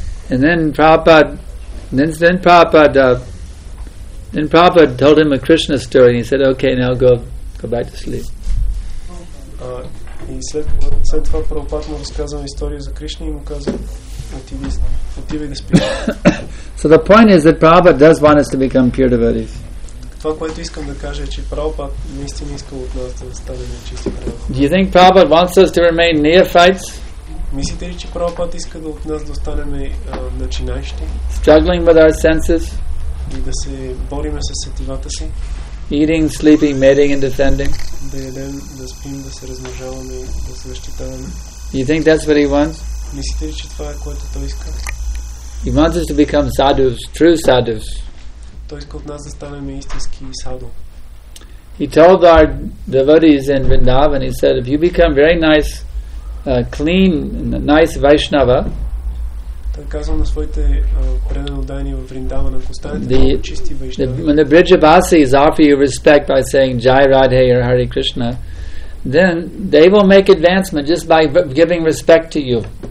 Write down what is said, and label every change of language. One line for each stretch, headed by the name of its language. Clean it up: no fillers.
English: And then Prabhupada told him a Krishna story and he said, okay, now go back to sleep.
Bulgarian: И след това Прабхупад му разказа история за Кришна и му каза, отивай да спиш.
English: So the point is that Prabhupada does want us to become pure devotees.
Bulgarian: Това, което искам да кажа, е, че Прабхупад наистина иска от нас да станем чисти преданодани.
English: Do you think Prabhupada wants us to remain neophytes?
Bulgarian: Мислите ли, че Прабхупад иска от нас да останем начинаещи?
English: Struggling with our senses?
Bulgarian: И да се бориме със сетивата си.
English: Eating, sleeping, mating and defending.
Bulgarian: Да ядем, да спим, да се размножаваме, да се защитаваме.
English: You think that's what he wants?
Bulgarian: Мислите ли, че това е което той иска?
English: He wants us to become sadhus, true sadhus.
Bulgarian: Той иска от нас да станем истински саду.
English: He told our devotees in Vrindavan, he said, if you become very nice, clean, nice Vaishnava,
Bulgarian: казвам на своите преданодани в Вриндаван, ако останете много чисти вайшнави.
English: When the Брижавасис offer you respect by saying Jai Radhe or Hare Krishna, then they will make advancement just by giving respect to you.